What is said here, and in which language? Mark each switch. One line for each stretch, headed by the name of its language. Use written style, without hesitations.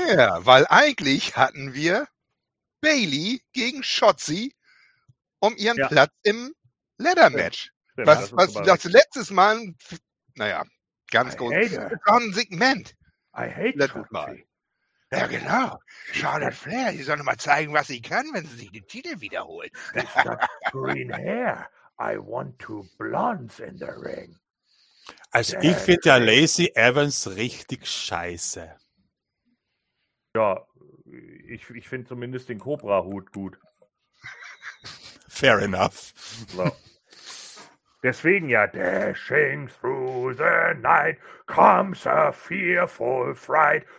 German: Ja, weil eigentlich hatten wir Bayley gegen Shotzi um ihren Platz im Ladder Match. Was das letztes Mal, ganz groß. Ein Segment.
English: I hate Shotzi.
German: Ja, genau. Charlotte Flair, die soll mal zeigen, was sie kann, wenn sie sich den Titel wiederholt.
English: Green hair. I want two blondes in the ring.
German: Also ich finde ja Lacey Evans richtig scheiße. Ja, ich finde zumindest den Cobra-Hut gut.
English: Fair enough. So.
German: Deswegen ja,
English: dashing through the night comes a fearful fright.